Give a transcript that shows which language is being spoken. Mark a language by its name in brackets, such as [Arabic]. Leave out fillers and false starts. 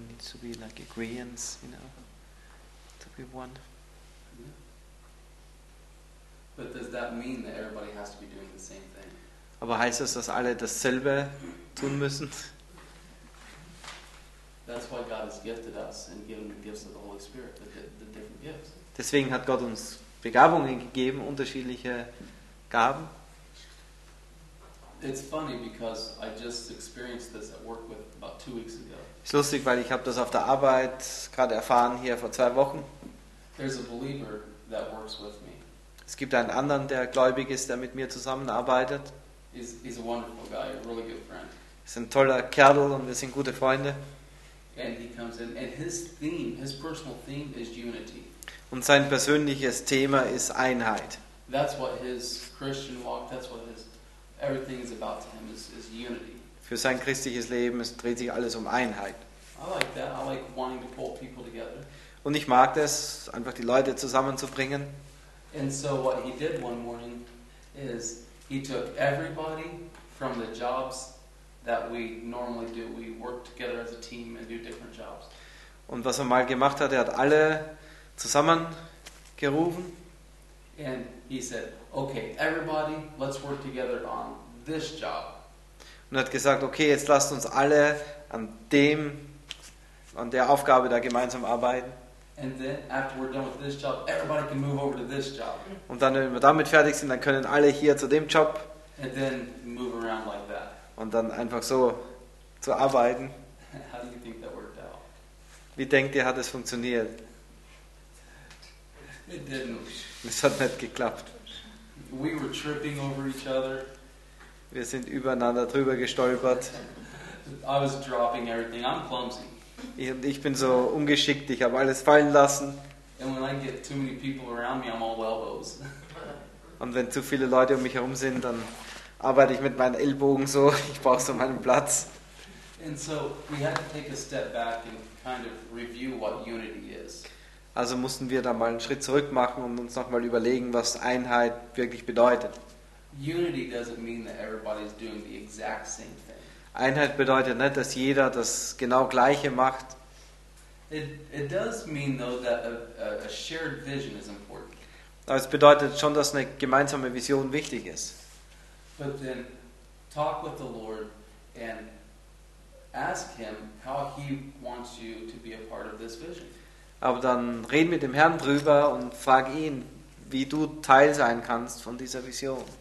[English] To be like agreeance, you know, to be one. Yeah. But does that mean that everybody has to be doing the same thing? [German] Aber heißt das, dass alle dasselbe tun müssen? [English] That's why God has gifted us and given the gifts of the Holy Spirit, the different gifts. [German] Deswegen hat Gott uns Begabungen gegeben, unterschiedliche Gaben. [English] It's funny because I just experienced this at work with about 2 weeks ago. [German] Ist lustig, weil ich habe das auf der Arbeit gerade erfahren hier vor 2 Wochen. [English] There's a believer that works with me. [German] Es gibt einen anderen, der gläubig ist, der mit mir zusammenarbeitet. [English] He's a wonderful guy, a really good friend. [German] Ist ein toller Kerl und wir sind gute Freunde. [English] And he comes in and his theme, his personal theme is unity. [German] Und sein persönliches Thema ist Einheit. [English] That's what his Christian walk, that's what his everything is about to him is unity. [German] Für sein christliches Leben dreht sich alles um Einheit. [English] I like that. I like wanting to pull people together. [German] Und ich mag das, einfach die Leute zusammenzubringen. [English] And so what he did one morning is he took everybody from the jobs that we normally do. We work together as a team and do different jobs. [German] Und was er mal gemacht hat, er hat alle zusammengerufen. [English] And he said, okay, everybody, let's work together on this job. [German] Und hat gesagt, okay, jetzt lasst uns alle an der Aufgabe da gemeinsam arbeiten. [English] And then after we're done with this job, everybody can move over to this job. [German] Und dann, wenn wir damit fertig sind, dann können alle hier zu dem Job. [English] And then move around like that. [German] Und dann einfach so zu arbeiten. [English] How do you think that worked out? [German] Wie denkt ihr, hat es funktioniert? [English] It didn't. [German] Es hat nicht geklappt. [English] We were tripping over each other. [German] Wir sind übereinander drüber gestolpert. [English] I was dropping everything. I'm clumsy. [German] Ich bin so ungeschickt, ich habe alles fallen lassen. [English] And when I get too many people around me, I'm all elbows. [German] Und wenn zu viele Leute um mich herum sind, dann arbeite ich mit meinen Ellbogen so, ich brauche so meinen Platz. [English] And so we had to take a step back and kind of review what unity is. [German] Also mussten wir da mal einen Schritt zurück machen und uns nochmal überlegen, was Einheit wirklich bedeutet. [English] Unity doesn't mean that everybody's doing the exact same thing. [German] Einheit bedeutet nicht, dass jeder das genau Gleiche macht. [English] It does mean though that a shared vision is important. [German] Aber es bedeutet schon, dass eine gemeinsame Vision wichtig ist. [English] But then talk with the Lord and ask him how he wants you to be a part of this vision. [German] Aber dann red mit dem Herrn drüber und frag ihn, wie du Teil sein kannst von dieser Vision.